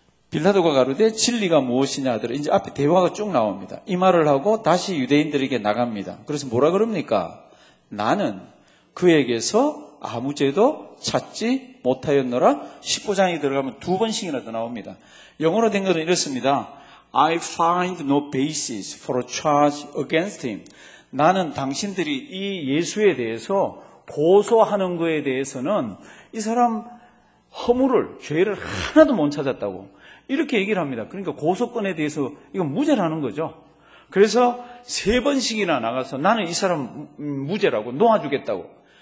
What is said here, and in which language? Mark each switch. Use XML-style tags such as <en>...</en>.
<ko>빌라도가 가로되 진리가 무엇이냐 하더라. 이제 앞에 대화가 쭉 나옵니다. 이 말을 하고 다시 유대인들에게 나갑니다. 그래서 뭐라 그럽니까? 나는 그에게서 아무 죄도 찾지 못하였노라. 19장이 들어가면 두 번씩이나 더 나옵니다. 영어로 된 것은 이렇습니다.</ko> <en>I find no basis for a charge against him.</en> <ko>나는 당신들이 이 예수에 대해서 고소하는 것에 대해서는 이 사람 허물을, 죄를 하나도 못 찾았다고 이렇게 얘기를 합니다. 그러니까 고소권에 대해서 이건 무죄라는 거죠. 그래서 세 번씩이나 나가서 나는 이 사람 무죄라고 놓아주겠다고.</ko>